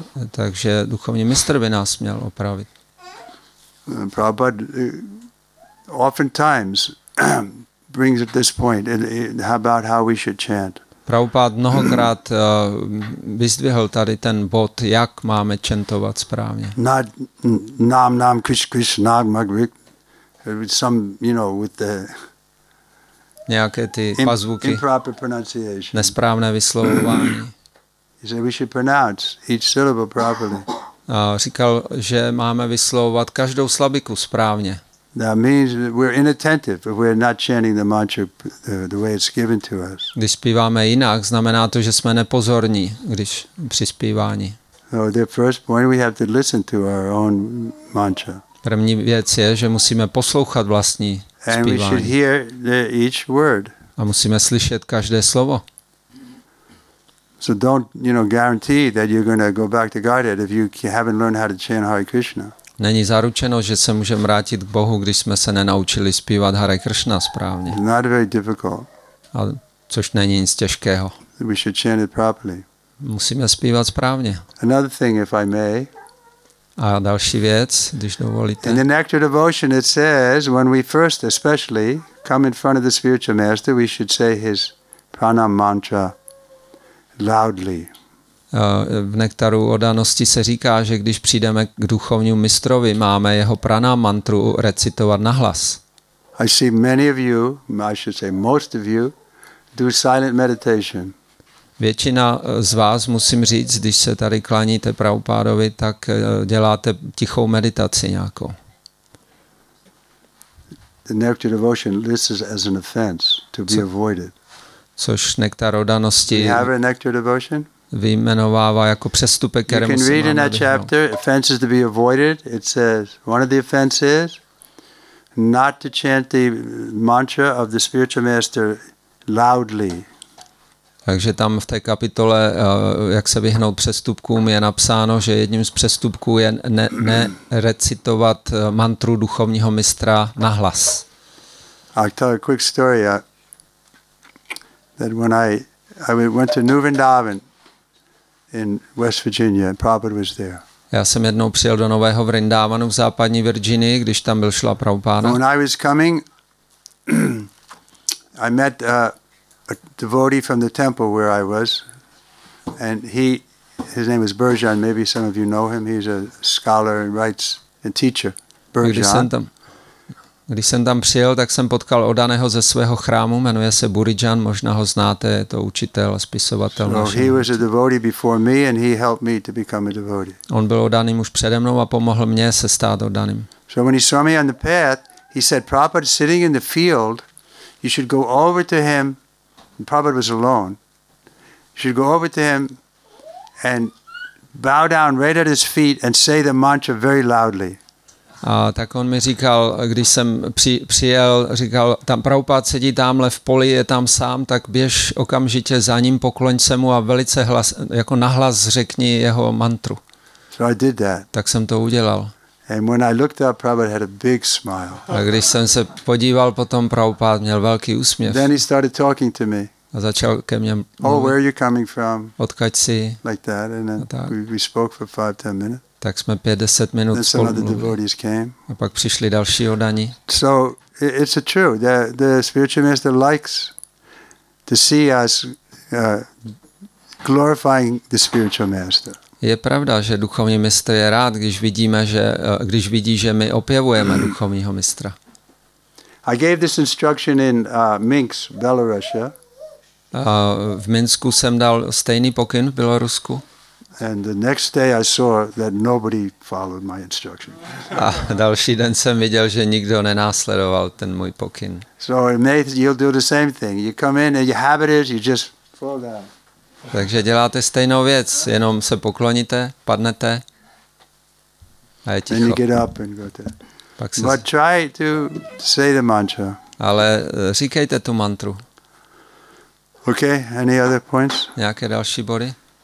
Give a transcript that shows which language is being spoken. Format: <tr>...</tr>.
<cs>Takže duchovní mistr by nás měl opravit.</cs> <en>Prabhupada oftentimes brings at this point about how we should chant.</en> <cs>Prabhupada mnohokrát vyzdvihl tady ten bod, jak máme čentovat správně.</cs> <en>Not nam nam krish krish nag mag rik, some, you know, with the</en> <cs>nějaké ty pazvuky,</cs> <en>improper pronunciation,</en> <cs>nesprávné vyslovování.</cs> <en>He said we should pronounce each syllable properly.</en> <cs>Říkal, že máme vyslovovat každou slabiku správně.</cs> <en>That means we're inattentive if we're not chanting the mantra the way it's given to us.</en> <cs>Když zpíváme jinak, znamená to, že jsme nepozorní, když při zpívání.</cs> <en>So the first point, we have to listen to our own mantra.</en> <cs>První věc je, že musíme poslouchat vlastní zpívání.</cs> <en>And we should hear each word.</en> <cs>A musíme slyšet každé slovo.</cs> <en>So don't, you know, guarantee that you're going to go back to Godhead if you haven't learned how to chant Hare Krishna.</en> <cs>Není zaručeno, že se můžeme vrátit k Bohu, když jsme se nenaučili zpívat Hare Krishna správně.</cs> <en>It's not very difficult.</en> <cs>A což není nic těžkého.</cs> <en>We should chant it properly.</en> <cs>Musíme zpívat správně.</cs> <en>Another thing, if I may.</en> <cs>A další věc, když dovolíte.</cs> <en>In the Nectar Devotion it says, when we first especially come in front of the spiritual master, we should say his pranam mantra loudly.</en> <cs>V Nektaru odanosti se říká, že když přijdeme k duchovnímu mistrovi, máme jeho pranam mantru recitovat nahlas.</cs> <en>I see many of you, I should say most of you, do silent meditation.</en> <cs>Většina z vás, musím říct, když se tady klaníte Prabhupádovi, tak děláte tichou meditaci nějakou.</cs> <en>The nectar devotion lists as an offense to be avoided.</en> <cs>Což nektar odanosti vyjmenovává jako přestupek, který musíme odhadnout.</cs> <en>You can read in that chapter, offenses to be avoided. It says, one of the offenses, not to chant the mantra of the spiritual master loudly.</en> <cs>Takže tam v té kapitole, jak se vyhnout přestupkům, je napsáno, že jedním z přestupků je nerecitovat mantru duchovního mistra nahlas.</cs> <en>I'll tell a quick story that when I went to New Vrindavan in West Virginia, and Prabhupada was there.</en> <cs>Já jsem jednou přijel do Nového Vrindávanu v západní Virginii, když tam byl Šrila Prabhupáda.</cs> <en>When I was coming, I met a devotee from the temple where I was, and his name is Burjan. Maybe some of you know him. He's a scholar and writes and teacher. Burjan.</en> <cs>Když jsem tam přijel, tak jsem potkal odaného ze svého chrámu. Jmenuje se Burjan. Možná ho znáte. Je to učitel, spisovatel.</cs> <en>So he was a devotee before me, and he helped me to become a devotee.</en> <cs>On byl odaným už přede mnou a pomohl mě se stát odaným.</cs> <en>So when he saw me on the path, he said, "Prabhupada sitting in the field, you should go over to him." And Prabhupada was alone. You should go over to him and bow down right at his feet and say the mantra very loudly.</en> <cs>A tak on mi říkal, když jsem přijel, říkal, tam Prabhupada sedí tamhle v poli, je tam sám, tak běž okamžitě za ním, pokloň se mu a velice hlas, jako nahlas řekni jeho mantru.</cs> <en>So I did that.</en> <cs>Tak jsem to udělal.</cs> <en>And when I looked up, Prabhupada had a big smile.</en> <cs>A když jsem se podíval potom, Prabhupada měl velký úsměv.</cs> <en>Then he started talking to me.</en> <cs>A začal ke mně mluvit.</cs> <en>Oh, where are you coming from?</en> <cs>Odkud jsi?</cs> <en>Like that, and then we spoke for 5-10 minutes.</en> <cs>Tak jsme 5-10 minut spolu mluvili.</cs> <en>Then some other devotees came. A pak přišli další odaní. So it's a true. The spiritual master likes to see us glorifying the spiritual master.</en> <cs>Je pravda, že duchovní mistr je rád, když vidí, že my opěvujeme duchovního mistra.</cs> <en>I gave this instruction in Minsk, Belarus.</en> <cs>V Minsku jsem dal stejný pokyn v Bělorusku.</cs> <en>And the next day I saw that nobody followed my instruction.</en> <cs>A další den jsem viděl, že nikdo nenásledoval ten můj pokyn.</cs> <en>So you'll do the same thing. You come in and your habit is you just fall down.</en> <cs>Takže děláte stejnou věc, jenom se pokloníte, padnete a je ticho.</cs> <en>And you get up and go to... But try to say the mantra.</en> <cs>Ale říkejte tu mantru.</cs> <en>Okay, any other points?</en> <cs>Nějaké další body?</cs>